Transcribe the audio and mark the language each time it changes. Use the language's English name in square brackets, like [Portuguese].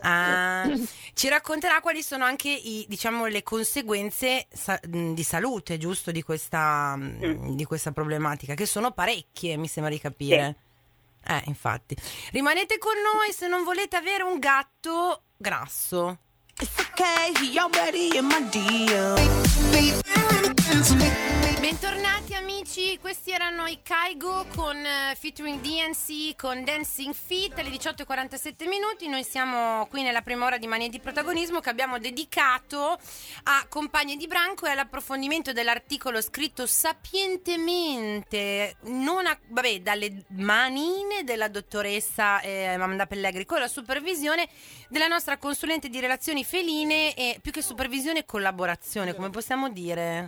[Italian] Ah, ci racconterà quali sono anche i, diciamo, le conseguenze di salute, giusto, di questa problematica, che sono parecchie, mi sembra di capire. Sì. Infatti. Rimanete con noi se non volete avere un gatto grasso. [English] It's okay, you're ready, my dear. [Italian] Bentornati amici, questi erano i Kygo con featuring DNC con Dancing Feet alle 18:47 minuti. Noi siamo qui nella prima ora di Mania di Protagonismo, che abbiamo dedicato a Compagne di Branco e all'approfondimento dell'articolo scritto sapientemente dalle manine della dottoressa Amanda Pellegri, con la supervisione della nostra consulente di relazioni feline e più che supervisione, collaborazione, come possiamo dire?